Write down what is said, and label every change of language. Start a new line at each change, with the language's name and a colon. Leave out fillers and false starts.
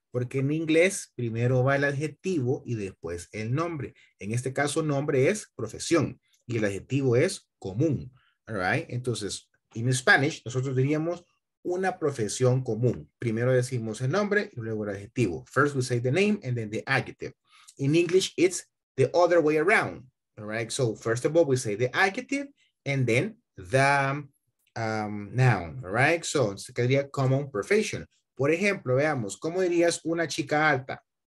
Spanish: Porque en inglés primero va el adjetivo y después el nombre. En este caso, nombre es profesión y el adjetivo es común.
English: All right?
Spanish: Entonces,
English: in Spanish,
Spanish: nosotros diríamos una profesión común. Primero decimos el nombre y luego el adjetivo.
English: First we say the name and then the adjective. In English, it's the other way around. All right? So, first of all, we say the adjective and then the noun, right?
Spanish: So, se quedaría
English: common profession.
Spanish: Por ejemplo, veamos, ¿cómo dirías una chica alta?